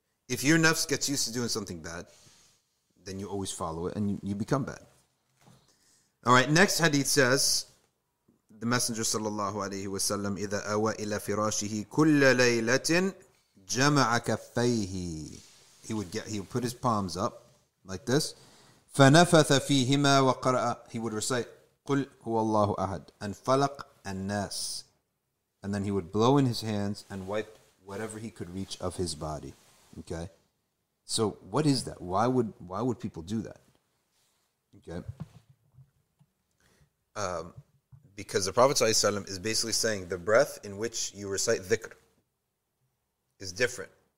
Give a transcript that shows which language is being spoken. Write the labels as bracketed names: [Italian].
[English] If your nafs gets used to doing something bad, then you always follow it and you become bad. All right, next hadith says, the Messenger sallallahu alayhi wa sallam, [Arabic] إِذَا أَوَى إِلَى فِرَاشِهِ كُلَّ لَيْلَةٍ جَمَعَ كَفَّيْهِ. [English] He would put his palms up like this. [Arabic] فَنَفَثَ فِيهِمَا وَقَرَأَ. [English] He would recite, [Arabic] قُلْ هُوَ اللَّهُ أَحَدٍ and فَلَقْ النَّاسِ. [English] And then he would blow in his hands and wipe whatever he could reach of his body. Okay? So what is that? Why would people do that? Okay? Because the Prophet ﷺ is basically saying the breath in which you recite dhikr is different.